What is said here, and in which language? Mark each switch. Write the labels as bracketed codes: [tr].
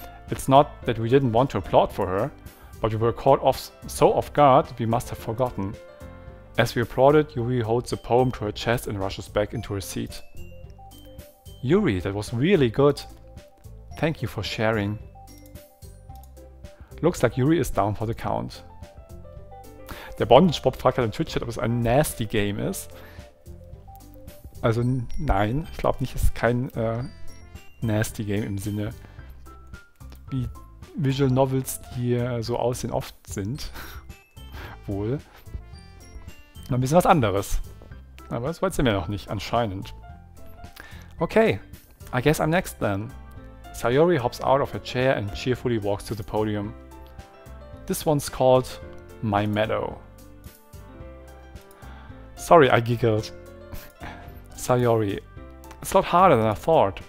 [en] It's not that we didn't want to applaud for her, but we were caught off so off guard we must have forgotten. As we applauded, Yuri holds the poem to her chest and rushes back into her seat. Yuri, that was really good. Thank you for sharing. Looks like Yuri is down for the count. [de] Der Bondage Bob fragt halt im Twitch-Chat, ob es ein nasty Game ist. Also nein, ich glaube nicht, es ist kein nasty Game im Sinne, wie Visual Novels, die so aussehen, oft sind. Wohl. Noch ein bisschen was anderes. Aber das wollte sie mir noch nicht, anscheinend. [en] Okay, I guess I'm next then. Sayori hops out of her chair and cheerfully walks to the podium. This one's called My Meadow. Sorry, I giggled. Sayori, it's a lot harder than I thought.